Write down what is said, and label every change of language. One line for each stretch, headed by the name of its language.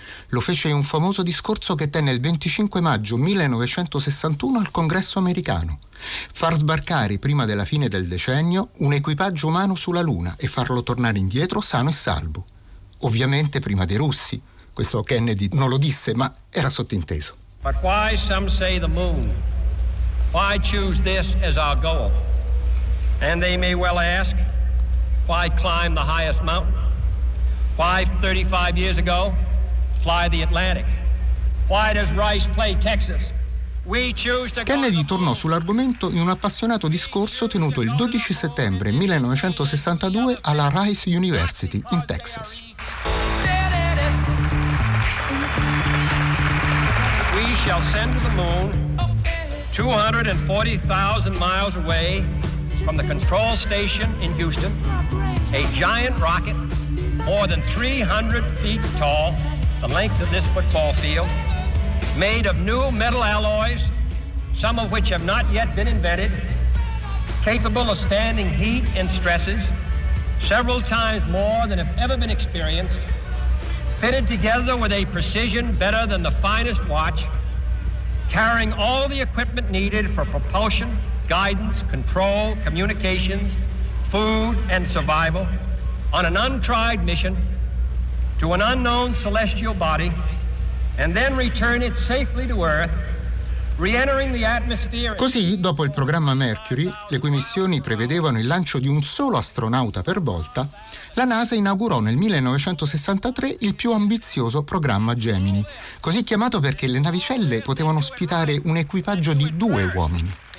Italian: Lo fece in un famoso discorso che tenne il 25 maggio 1961 al Congresso americano. Far sbarcare prima della fine del decennio un equipaggio umano sulla Luna e farlo tornare indietro sano e salvo. Ovviamente prima dei russi. Questo Kennedy non lo disse, ma era sottinteso.
English: But why some say the moon? Why choose this as our goal? And they may well ask, why climb the highest mountain? Why 35 years ago? Fly the Atlantic. Why does Rice play Texas? We choose to.
Italian: Kennedy tornò sull'argomento in un appassionato discorso tenuto il 12 settembre 1962 alla Rice University in Texas.
English: We shall send to the moon 240,000 miles away from the control station in Houston a giant rocket more than 300 feet tall. The length of this football field, made of new metal alloys, some of which have not yet been invented, capable of standing heat and stresses, several times more than have ever been experienced, fitted together with a precision better than the finest watch, carrying all the equipment needed for propulsion, guidance, control, communications, food, and survival on an untried mission to an unknown celestial body, and then return it safely to Earth, re-entering the atmosphere.
Italian: Così, dopo il programma Mercury, le cui missioni prevedevano il lancio di un solo astronauta per volta, la NASA inaugurò nel 1963 il più ambizioso programma Gemini, così chiamato perché le navicelle potevano ospitare un equipaggio di due uomini.